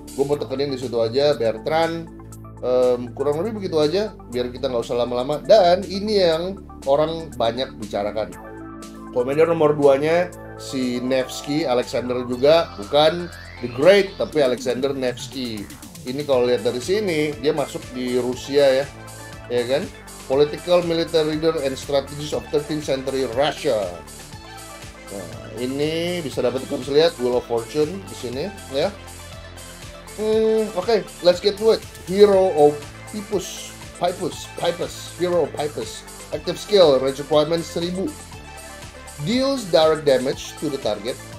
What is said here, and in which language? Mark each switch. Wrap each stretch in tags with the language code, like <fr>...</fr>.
<id>Gua mau tekenin di situ aja Bertrand. Kurang lebih begitu aja biar kita enggak usah lama-lama, dan ini yang orang banyak bicarakan. Komedor nomor 2-nya si Nevsky Alexander, juga bukan The Great tapi Alexander Nevsky. Ini kalau lihat dari sini dia masuk di Rusia ya. Ya kan?</id> <en>Political military leader and strategist of 13th century Russia.</en> <id>Nah, ini bisa dapat kalian lihat Wheel of Fortune di sini ya.</id> <en>Okay, let's get to it. Hero of Pipus. Hero of Pipus. Active skill, range requirement 1000. Deals direct damage to the target.</en>